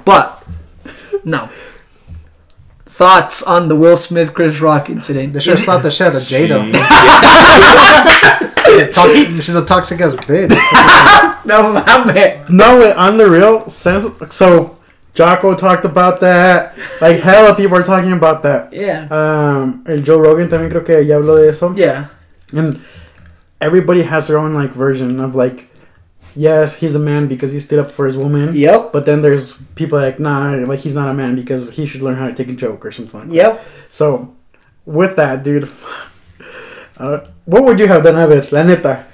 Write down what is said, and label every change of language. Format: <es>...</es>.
<en>But, no. Thoughts on the Will Smith Chris Rock incident? They should have slapped the shit out of Jada. She's a toxic ass bitch.</en> <es>No, mames.</es> <en>No, wait, on the real sense. So, Jocko talked about that. Like, hella people are talking about that. Yeah. And</en> <es>Joe Rogan también creo que ya habló de eso.</es> <en>Yeah. And everybody has their own, like, version of, like, yes, he's a man because he stood up for his woman. Yep. But then there's people like, nah, like, he's not a man because he should learn how to take a joke or something like that. Yep. So, with that, dude, what would you have done of it,</en> <es>la neta?</es>